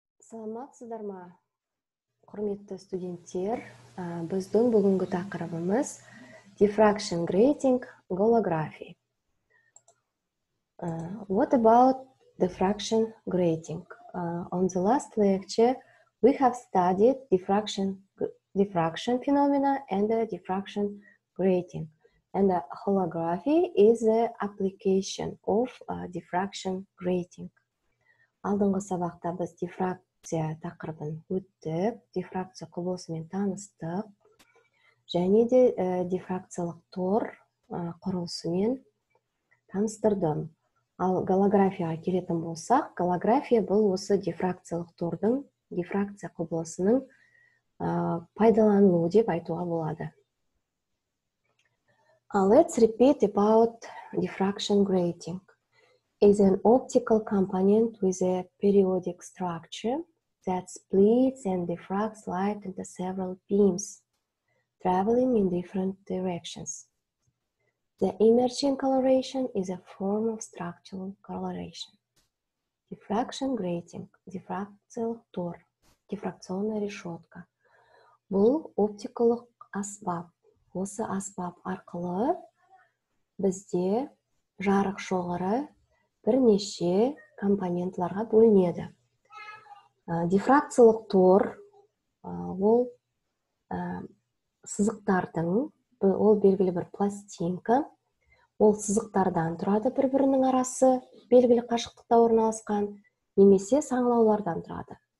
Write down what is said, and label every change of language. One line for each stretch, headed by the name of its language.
Kazakh: Саламатсыздар ма, құрметті студенттер. Біздің бүгінгі тақырыбымыз diffraction grating голографи.
English: What about diffraction grating? On the last lecture, we have studied diffraction phenomena and the diffraction grating, and the holography is the application of diffraction grating.
Kazakh: Алдыңғы сабақта біз диффракция тақырыбын өттік, диффракция құбылысымен таныстық, және де диффракциялық тор құрылысымен таныстырдым. Ал голографияға келетін болсақ, голография бұл осы диффракциялық тордың, диффракция құбылысының пайдаланылуы деп айтуға болады.
English: Let's repeat about diffraction grating. Is an optical component with a periodic structure that splits and diffracts light into several beams traveling in different directions. The emerging coloration is a form of structural coloration. Diffraction grating, diffraction tor,
Russian: diffrakционная решетка.
Kazakh: Бұл оптикалық аспап. Осы аспап арқылы бізде жарық шоғыры бірнеше компонентларға бөлінеді. Диффракциялық тор ол сызықтардың, ол белгілі бір пластинка, ол сызықтардан тұрады, бір-бірінің арасы белгілі қашықтықта орналасқан, немесе саңылаулардан тұрады.